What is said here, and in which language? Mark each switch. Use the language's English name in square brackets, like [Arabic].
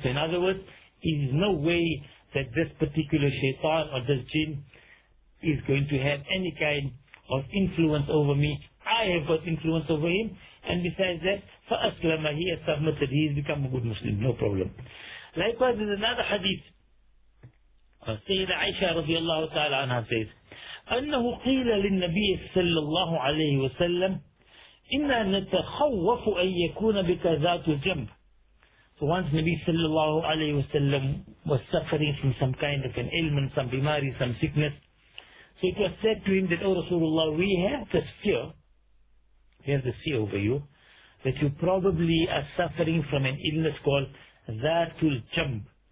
[English] So in other words, there is no way that this particular shaitan or this jinn is going to have any kind of influence over me I have got influence over him. And besides that, فَأَسْلَمَ he has submitted, he has become a good Muslim, no problem. Likewise, there's another hadith. Sayyida Aisha radiallahu ta'ala anha says, [Arabic] أَنَّهُ قِيلَ لِلنَّبِيِّ صَلَّى اللَّهُ عَلَيْهِ وَسَلَّمْ إِنَّا نَتَخَوَّفُ أَنْ يَكُونَ بِكَ ذَاتُ الْجَمْبِ. [English] So once Nabi sallallahu alayhi wa sallam was suffering from some kind of an ailment, some bimari, some sickness. So it was said to him that, O Rasulullah, we have the fear, we have the fear over you, that you probably are suffering from an illness called Dhatul Jamb.